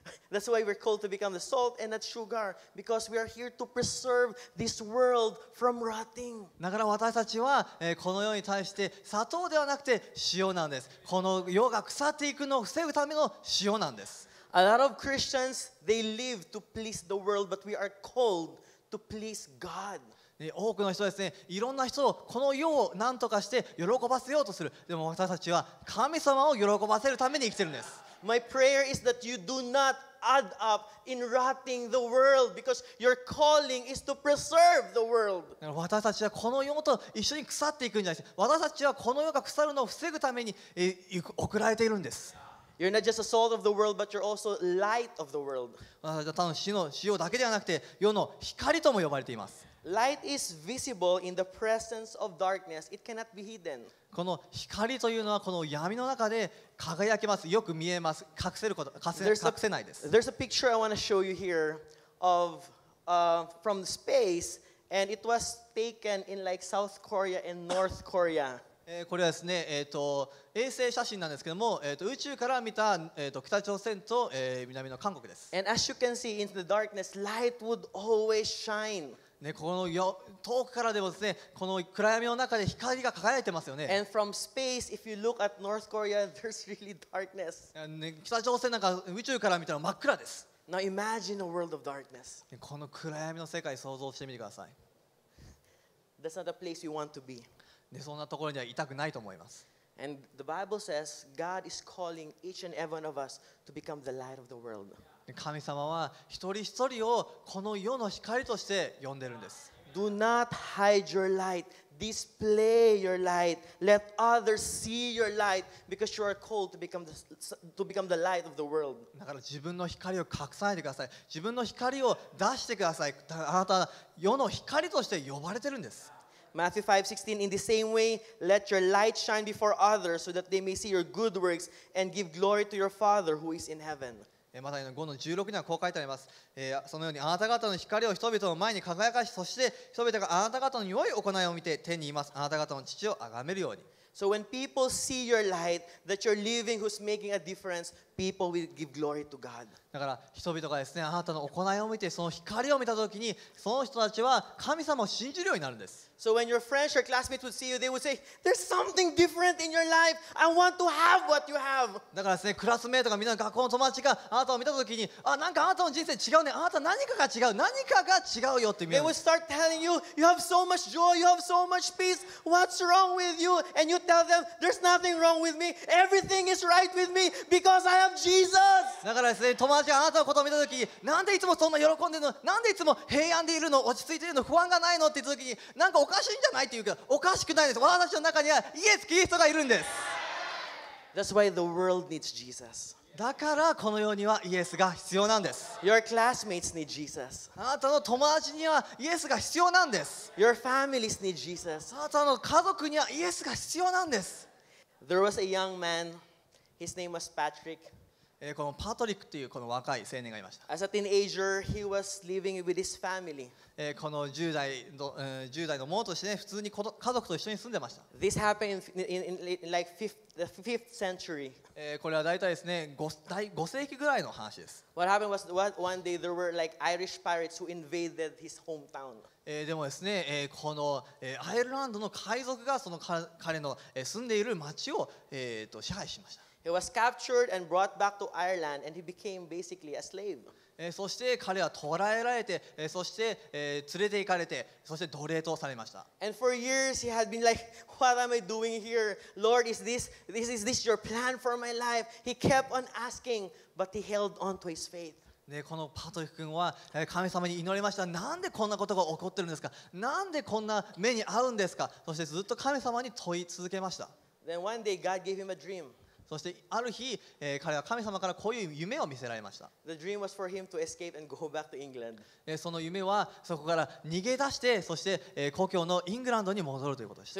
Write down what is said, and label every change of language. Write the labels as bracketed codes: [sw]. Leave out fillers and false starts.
[en] That's why we're called to become the salt and not sugar, because we are here to preserve this world from rotting. [ja] だから私たちは、この世に対して砂糖ではなくて塩なんです。この世が腐っていくのを防ぐための塩なんです。 [en] A lot of Christians, they live to please the world, but we are called to please God. [ja] 多くの人ですね、いろんな人をこの世を何とかして喜ばせようとする。でも私たちは神様を喜ばせるために生きてるんです。 [en] My prayer is that you do not add up in rotting the world, because your calling is to preserve the world. [ja] 私たちはこの世と一緒に腐っていくんじゃないです。私たちはこの世が腐るのを防ぐために送られているんです。 [en] You're not just a salt of the world, but you're also light of the world. [ja] 私は他の塩だけではなくて世の光とも呼ばれています。 [en] Light is visible in the presence of darkness. It cannot be hidden. [ja] この光というのはこの闇の中で輝きます。よく見えます。隠せること、隠せないです。 [en] There's a picture I want to show you here of from space, and it was taken in like South Korea and North Korea. [ja] これはですね、衛星写真なんですけども、宇宙から見た、北朝鮮と、南の韓国です。 [en] And as you can see in the darkness, light would always shine. [ja] ね、この遠くからでもですね、この暗闇の中で光が輝いてますよね。 [en] And from space, if you look at North Korea, there's really darkness.、 [ja] ね、北朝鮮なんか宇宙から見たら真っ暗です。 [en] Now imagine a world of darkness.、 [ja] ね、この暗闇の世界想像してみてください。 [en] That's not a place you want to be.、 [ja] ね、そんなところにはいたくないと思います。 [en] And the Bible says God is calling each and every one of us to become the light of the world. [ja] 神様は一人一人をこの世の光として呼んでるんです。 [en] Do not hide your light. Display your light. Let others see your light, because you are called to become the light of the world. [ja] だから自分の光を隠さないでください。自分の光を出してください。あなたは世の光として呼ばれてるんです。 [en] Matthew 5:16, in the same way, let your light shine before others so that they may see your good works and give glory to your Father who is in heaven. [ja] マタイの 5-16 にはこう書いてあります、そのようにあなた方の光を人々の前に輝かし、そして人々があなた方の良い行いを見て天にいます。あなた方の父を崇めるように。 [en] So when people see your light, that you're living, who's making a difference, people will give glory to God. [ja] だから人々がですね、あなたの行いを見て、その光を見たときに、その人たちは神様を信じるようになるんです。 [en] So when your friends or classmates would see you, they would say, there's something different in your life. I want to have what you have. [ja] だからですね、クラスメートがみんな学校の友達があなたを見たときに、あ、なんかあなたの人生違うね。あなた何かが違う。何かが違うよって見えるんです。 [en] They would start telling you, you have so much joy, you have so much peace. What's wrong with you? And you tell them, there's nothing wrong with me. Everything is right with me because I have Jesus. [ja] だからですね、友達があなたのことを見たときに、なんでいつもそんな喜んでるの？なんでいつも平安でいるの？落ち着いているの？不安がないの？って言ったときに、なんかおかしいんじゃないって言うけど、おかしくないです。私の中にはイエス・キリストがいるんです。 [en] That's why the world needs Jesus. [ja] だからこの世にはイエスが必要なんです。 [en] Your classmates need Jesus. [ja] あなたの友達にはイエスが必要なんです。 [en] Your families need Jesus. [ja] あなたの家族にはイエスが必要なんです。 [en] There was a young man. His name was Patrick. [ja] このパトリックというこの若い青年がいました。 [en] As a teenager, he was living with his family. [ja] この10代のものとして、ね、普通に家族と一緒に住んでました。 [en] This happened in like the fifth century. [ja] これは大体ですね、5世紀ぐらいの話です。 [en] What happened was one day there were like Irish pirates who invaded his hometown. [ja] でもですね、このアイルランドの海賊がその彼の住んでいる町を支配しました。 [en] He was captured and brought back to Ireland, and he became basically a slave. [ja] そして彼は捕らえられて、そして連れて行かれて、そして奴隷とされました。 [en] And for years he had been like, "What am I doing here? Lord, is this your plan for my life?" He kept on asking, but he held on to his faith. [ja] でこのパトリック君は神様に祈りました。なんでこんなことが起こってるんですか？なんでこんな目に遭うんですか？そしてずっと神様に問い続けました。 [en] Then one day God gave him a dream. [ja] そしてある日、彼は神様からこういう夢を見せられました。 [en] The dream was for him to escape and go back to England. [ja] その夢はそこから逃げ出して、そして、故郷のイングランドに戻るということでした。